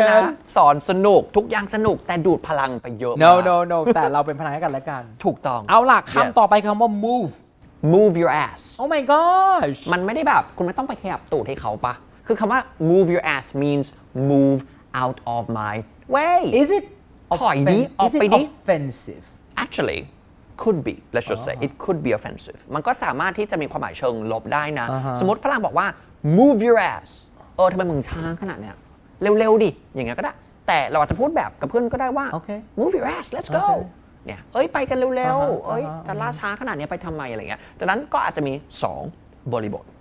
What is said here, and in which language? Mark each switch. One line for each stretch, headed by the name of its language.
Thai: ยนะสอนสนุกทุกอย่างสนุกแต่ดูดพลังไปเยอะ No แต่เราเป็นพลังให้กันแล้วกัน ถูกต้อง เอาล่ะคำ yes. ต่อไปคำว่า move
English: your ass Oh my gosh
Thai: มันไม่ได้แบบคุณไม่ต้องไปขยับตูดให้เขาปะคือคำว่า
English: move your ass means move out of my way Is it offensive actuallyCould be, let's just say, it could be offensive.
Thai: มันก็สามารถที่จะมีความหมายเชิงลบได้นะ สมมติฝรั่งบอกว่า
English: move your ass.
Thai: เออทำไมมึงช้าขนาดเนี้ยเร็วๆดิอย่างเงี้ยก็ได้แต่เราอาจจะพูดแบบกับเพื่อนก็ได้ว่า
English: okay. move your ass, let's go.
Thai: เนี่ยเอ้ยไปกันเร็วๆเอ้ยจะล่าช้าขนาดเนี้ยไปทำไมอะไรเงี้ยดังนั้นก็อาจจะมี2บริบท